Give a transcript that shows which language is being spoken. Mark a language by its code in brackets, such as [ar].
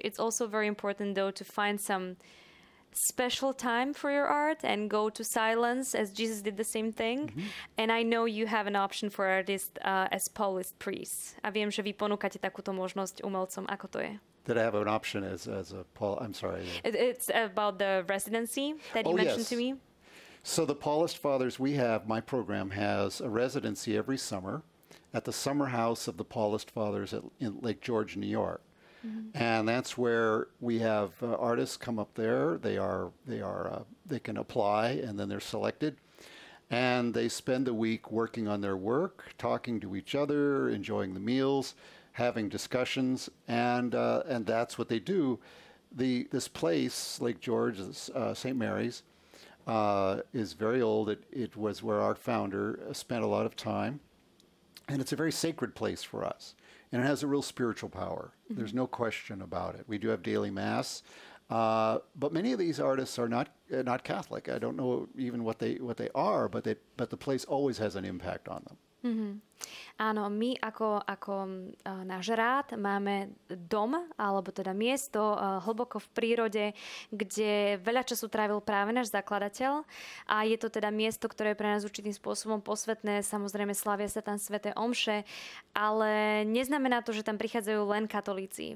[en] It's also very important though to find some special time for your art and go to silence as Jesus did the same thing. Mm-hmm. And I know you have an option for artists as Paulist priests. [sk] A viem, že vy ponúkate takúto možnosť umelcom. Ako to je? [en] That I have an option as a Paul... I'm sorry. It's about the residency that you mentioned, to me. So the Paulist Fathers we have, my program has a residency every summer at the summer house of the Paulist Fathers in Lake George, New York. Mm-hmm. And that's where we have artists come up there. They can apply and then they're selected. And they spend the week working on their work, talking to each other, enjoying the meals, having discussions, and that's what they do. This place, Lake George, St. Mary's, is very old. It was where our founder spent a lot of time. And it's a very sacred place for us. And it has a real spiritual power. Mm-hmm. There's no question about it. We do have daily mass. But many of these artists are not Catholic. I don't know even what they are, but the place always has an impact on them. Mm-hmm. [sk] Áno, my ako náš rád máme dom, alebo teda miesto hlboko v prírode, kde veľa času trávil práve náš zakladateľ a je to teda miesto, ktoré je pre nás určitým spôsobom posvetné, samozrejme slavia sa tam sväté omše, ale neznamená to, že tam prichádzajú len katolíci.